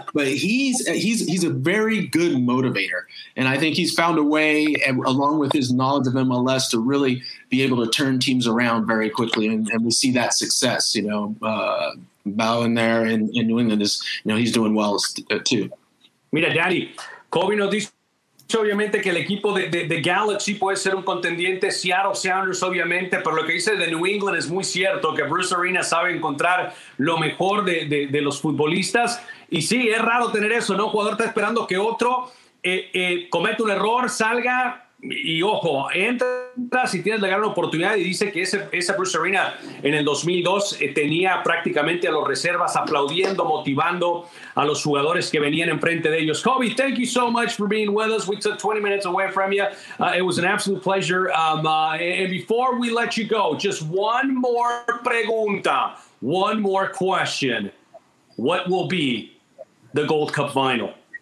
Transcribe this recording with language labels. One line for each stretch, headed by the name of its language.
English: But he's a very good motivator. And I think he's found a way, along with his knowledge of MLS, to really be able to turn teams around very quickly. And we see that success, you know, Bowen there in New England is, you know, he's doing well too.
Spanish: Mira, Danny, Kobe nos dice, obviamente que el equipo de Galaxy puede ser un contendiente, Seattle Sounders obviamente, pero lo que dice de New England es muy cierto, que Bruce Arena sabe encontrar lo mejor de los futbolistas, y sí, es raro tener eso, ¿no? Un jugador está esperando que otro cometa un error, salga y ojo, entras y tienes la gran oportunidad, y dice que ese Bruce Arena en el 2002 tenía prácticamente a los reservas aplaudiendo, motivando a los jugadores que venían enfrente de ellos.
English: Kobe, thank you so much for being with us. We took 20 minutes away from you. It was an absolute pleasure. And before we let you go, just one more pregunta, one more question. What will be the Gold Cup final?